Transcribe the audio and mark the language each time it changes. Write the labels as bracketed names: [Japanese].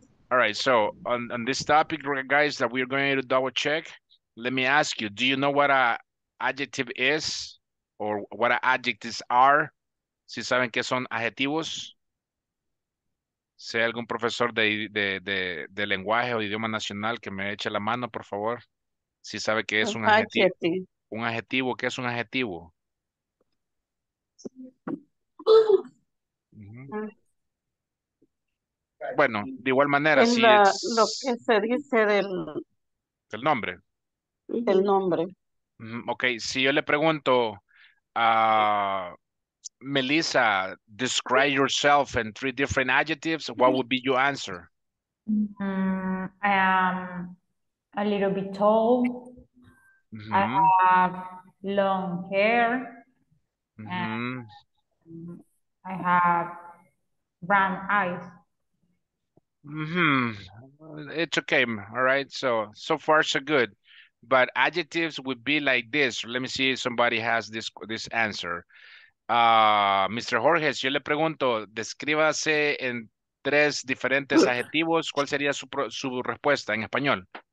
[English] All right, so on this topic, guys, that we're going to double check, let me ask you, do you know what a adjective is or what a adjectives are? [Spanish] ¿Sí saben qué son adjetivos? ¿Sea algún profesor de lenguaje o idioma nacional que me eche la mano, por favor? ¿Sí sabe qué es un adjetivo? ¿Un adjetivo? ¿Qué es un adjetivo? Bueno, de igual manera, es si la, es... Lo que se dice del... ¿Del nombre? Del nombre. [English] Ok, [Spanish] si yo le pregunto a Melissa, [English] describe yourself in 3 different adjectives, what would be your answer? I am a little bit tall. Mm-hmm. I have long hair. Mm-hmm. And I have brown eyes. Mm-hmm. It's okay. All right. So far, so good. But adjectives would be like this. Let me see if somebody has this answer. Mr. [Spanish] Jorge, si yo le pregunto, descríbase en 3 diferentes adjetivos, ¿cuál sería su respuesta en español?